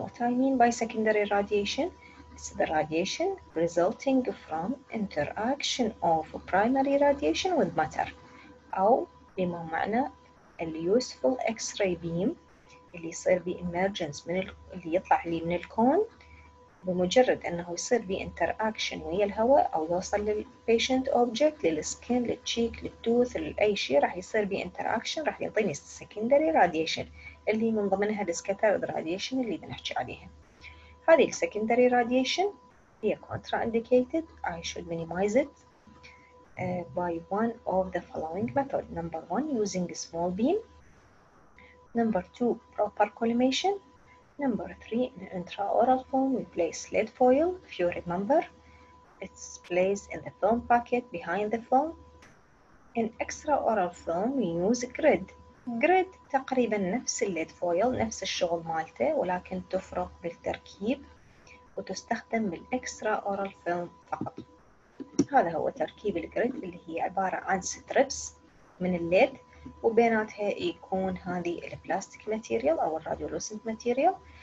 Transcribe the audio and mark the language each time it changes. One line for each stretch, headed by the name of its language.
English: What I mean by secondary radiation is the radiation resulting from interaction of primary radiation with matter.
Arabic: أو بما معنى اليوسفل إكس راي بيم اللي يصير بي إمرجنس من اللي يطلع لي من الكون، بمجرد أنه يصير بي إنتراكشن ويا الهواء أو يوصل للبيشنت أوبجكت للسكين للتشيك للتوث لأي شيء، راح يصير بي إنتراكشن راح يعطيني السكندري راديشن اللي من ضمنها السكاترد راديشن اللي بنحكي عليها. هذه السكندري راديشن هي كونترا إنديكيتد،
English: I should minimize it by one of the following method. Number one, using a small beam. Number two, proper collimation. Number three, in intraoral film, we place lead foil. If you remember, it's placed in the film packet behind the film. In extraoral film, we use grid.
Arabic: Grid تقريبا نفس lead foil، نفس الشغل مالته، ولكن تفرق بالتركيب وتستخدم بالextraoral film فقط. هذا هو تركيب الجريد اللي هي عبارة عن ستريبس من الليد، وبيناتها يكون هذه البلاستيك ماتيريال أو الراديولوسنت ماتيريال.